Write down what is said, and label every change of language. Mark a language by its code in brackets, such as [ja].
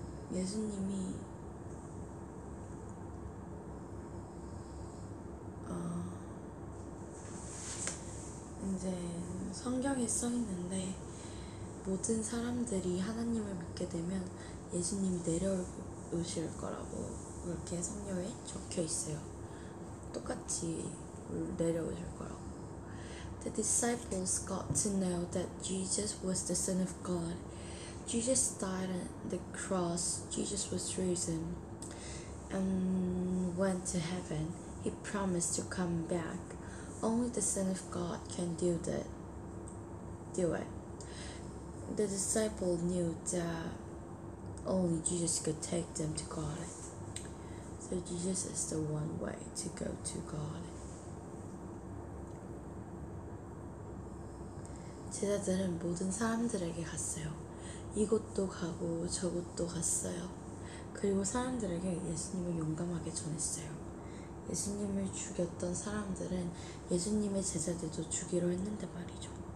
[ko] 예수님이 이제 성경에 써 있는데 모든 사람들이 하나님을 믿게 되면 예수님이 내려오실 거라고 그렇게 성경에 적혀 있어요. 똑같이 내려오실 거라고. [en] The disciples got to know that Jesus was the Son of God. Jesus died on the cross. Jesus was risen and went to heaven. He promised to come back. Only the Son of God can do that. Do it. The disciples knew that only Jesus could take them to God. So Jesus is the one way to go to God. [ko] 제자들은 모든 사람들에게 갔어요. 이곳도 가고 저곳도 갔어요. 그리고 사람들에게 예수님을 용감하게 전했어요. 예수님을 죽였던 사람들은 예수님의 제자들도 죽이려 했는데 말이죠.